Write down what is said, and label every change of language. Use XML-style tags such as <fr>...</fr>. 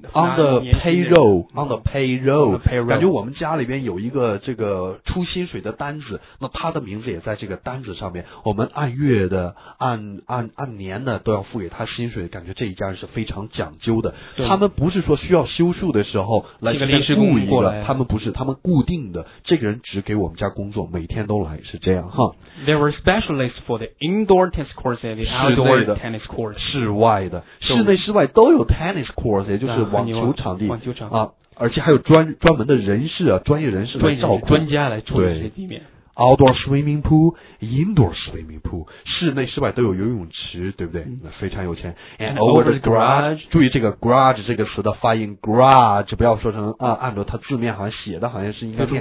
<zh>on the payroll，on the payroll，、感觉我们家里边有一个这个出薪水的单子，那他的名字也在这个单子上面，我们按月的、按年的都要付给他薪水，感觉这一家人是非常讲究的。他们不是说需要休树的时候来这个临时工过来，他们不是，他们固定的，这个人只给我们家工作，每天都来，是这样哈。</zh> <en>There were specialists for the indoor tennis courts and the outdoor tennis courts，</en> <zh>室外的、室内、室外都有 tennis。course 也就是网球场地，网球场啊，而且还有专门的人士啊，专业人士来照顾，专家来处理这些地面。 Outdoor swimming pool, indoor swimming pool，室内室外都有游泳池，对不对？那非常有钱。 And over the garage，注意这个 garage 这个词的发音 ，garage 不要说成啊，按照它字面好像写的好像是应该是</zh>